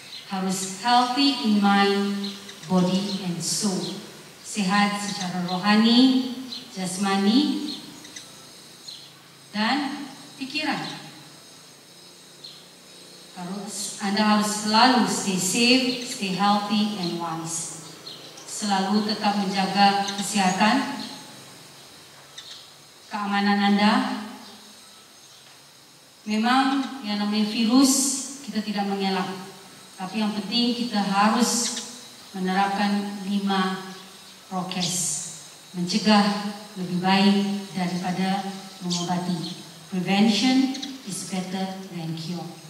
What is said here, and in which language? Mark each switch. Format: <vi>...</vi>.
<id>Harus</id> <en>healthy in mind, body and soul.</en> <id>Sehat secara rohani, jasmani, dan pikiran. Harus, Anda harus selalu</id> <en>stay safe, stay healthy and wise.</en> <id>Selalu tetap menjaga kesehatan, keamanan Anda. Memang yang namanya virus kita tidak mengelak, tapi yang penting kita harus menerapkan 5 prokes. Mencegah lebih baik daripada mengobati.</id> <en>Prevention is better than cure.</en>